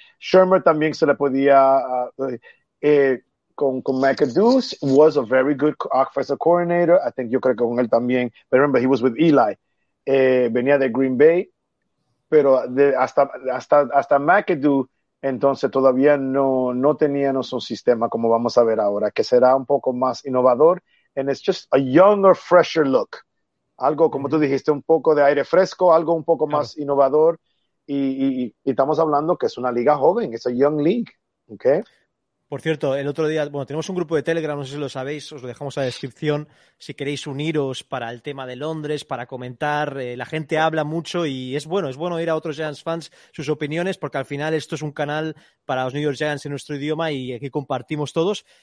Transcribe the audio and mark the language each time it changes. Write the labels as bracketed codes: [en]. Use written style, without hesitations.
[es] Shermer también se le podía... [en] con McAdoo, was a very good offensive coordinator. I think [es] yo creo que con él también. [en] But remember, he was with Eli. [es] Venía de Green Bay. Pero de, hasta McAdoo, entonces todavía no teníamos un sistema como vamos a ver ahora, que será un poco más innovador. [en] And it's just a younger, fresher look. [es] Algo, como mm-hmm. tú dijiste, un poco de aire fresco, algo un poco más innovador. Y estamos hablando que es una liga joven, es [en] a young league, [es] ¿ok? Por cierto, el otro día, bueno, tenemos un grupo de Telegram, no sé si lo sabéis, os lo dejamos en la descripción, si queréis uniros para el tema de Londres, para comentar, la gente habla mucho y es bueno ir a otros Giants fans, sus opiniones, porque al final esto es un canal para los New York Giants en nuestro idioma y aquí compartimos todos.